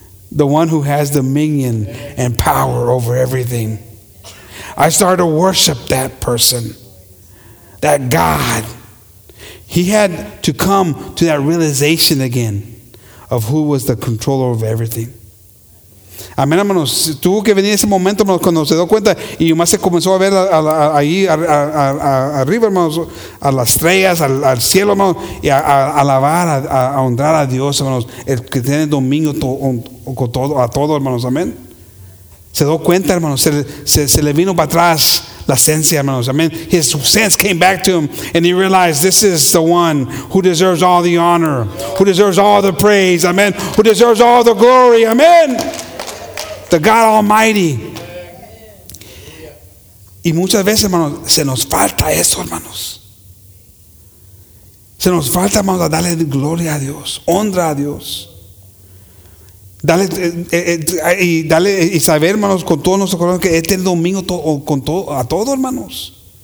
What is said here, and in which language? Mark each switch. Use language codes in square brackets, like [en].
[en] The one who has dominion and power over everything. I started to worship that person, that God. He had to come to that realization again of who was the controller of everything. [es] Amén, hermanos. Tuvo que venir ese momento, hermanos, cuando se dio cuenta y más se comenzó a ver ahí arriba, hermanos, a las estrellas, al cielo, hermanos, y a alabar, a honrar a Dios, hermanos, el que tiene dominio a todo, hermanos. Amén. Se dio cuenta, hermanos, se le vino para atrás la esencia, hermanos. [en] I mean, his sense came back to him, and he realized this is the one who deserves all the honor, who deserves all the praise, amen, who deserves all the glory, amen, the God Almighty. [es] Y muchas veces, hermanos, se nos falta eso, hermanos. Se nos falta, hermanos, a darle gloria a Dios, honra a Dios. Dale, y dale y saber, hermanos, con todo nuestro corazón que este es el domingo a todos, hermanos.